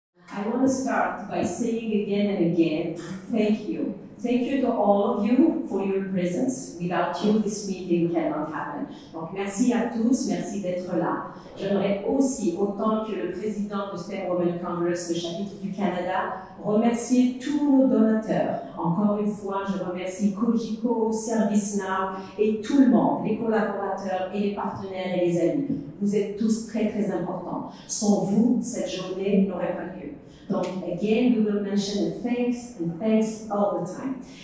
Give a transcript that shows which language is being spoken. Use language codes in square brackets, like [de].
[en] I want to start by saying again and again, thank you. Thank you to all of you for your presence. Without you, this meeting cannot happen. [fr] Donc, merci à tous, merci d'être là. J'aimerais aussi, autant que le président du State Women Congress, le chapitre du Canada, remercier tous nos donateurs. Encore une fois, je remercie Cogeco, ServiceNow et tout le monde, les collaborateurs et les partenaires et les amis. Vous êtes tous très, très importants. Sans vous, cette journée n'aurait pas lieu. [en] Donc, again, we will mention the thanks and thanks all the time.